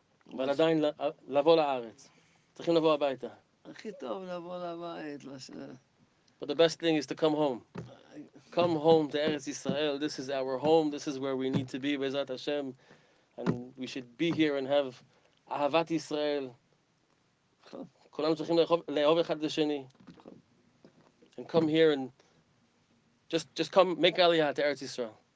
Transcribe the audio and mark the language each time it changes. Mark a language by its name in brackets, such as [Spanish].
[Hebrew] אבל עדיין לבוא לארץ. צריכים לבוא הביתה. הכי טוב לבוא לבית. [English] But the best thing is to come home. Come home to Eretz Yisrael. This is our home. This is where we need to be, Bezat Hashem. And we should be here and have Ahavat Yisrael. [Hebrew] כולם צריכים לאהוב אחד לשני. [English] And come here and just come, make Aliyah to Eretz Yisrael.